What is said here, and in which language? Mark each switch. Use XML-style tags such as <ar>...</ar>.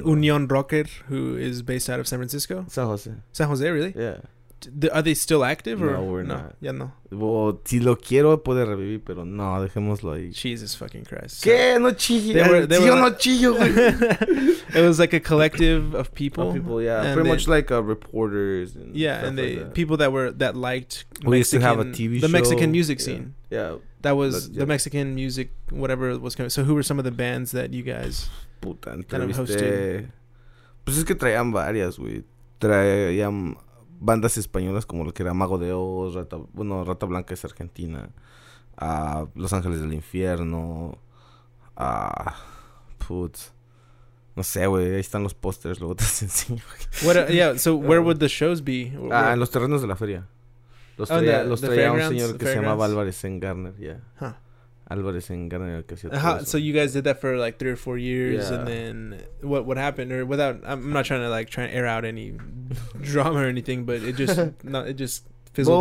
<en>And Union Rocker, who is based out of San Francisco? San Jose. San Jose, really? Yeah. Are they still active? Or? No, we're no, not.</en> <es>Ya no. Well, si lo quiero, puede revivir, pero no, dejémoslo ahí.</es> <en>Jesus fucking Christ.</en> <es>So ¿qué? No chillo. Si yo no chillo.</es> <en>It was like a collective of people. Of people, yeah. And pretty much like reporters. And yeah, and they like people that were, that liked Mexican, we used to have a TV the Mexican music scene. Yeah. Yeah. That was but, yeah, the Mexican music, whatever was coming. So who were some of the bands that you guys...</en> <es>Puta, entrevisté. Pues es que traían varias, güey. Traían bandas españolas como lo que era Mago de Oz, Rata, bueno, Rata Blanca es argentina, Los Ángeles del Infierno, putz, no sé, güey, ahí están los pósters, luego te los enseño.</es> <en>Yeah, so where would the shows be?</en> <es>En los terrenos de la feria. Los traía, los traía un señor que se llamaba Álvarez en Garner, yeah. Huh. Álvarez en Garner, que hacía todo eso.</es> <en>So you guys did that for like 3 or 4 years, yeah. And then what happened? Or without, I'm not trying to like try to air out any drama or anything, but it just not, it just fizzled</en>